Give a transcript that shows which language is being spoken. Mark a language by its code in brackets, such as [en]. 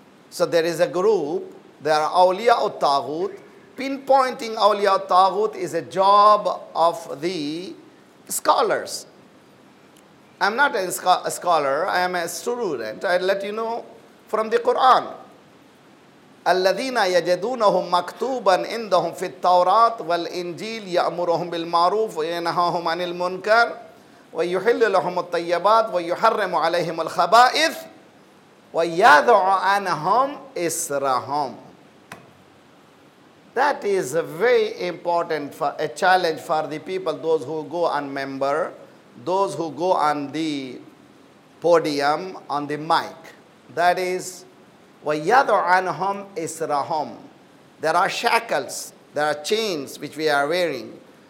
[en] So there is a group, they are awliya ut-taghut. Pinpointing awliya ut-taghut is a job of the scholars. I'm not a scholar, I am a student. I'll let you know from the Quran. [ar] الذين يجدونهم مكتوبا عندهم في التوراة والإنجيل يأمرهم بالمعروف وينهاهم عن المنكر ويحل لهم الطيبات ويحرم عليهم الخبائث ويذع عنهم إسرهم. [en] That is very important for a challenge for the people, those who go on member, those who go on the podium, on the mic. That is [ar] وَيَذُ عَنْهُمْ إِسْرَهُمْ. [en] There are shackles, there are chains which we are wearing.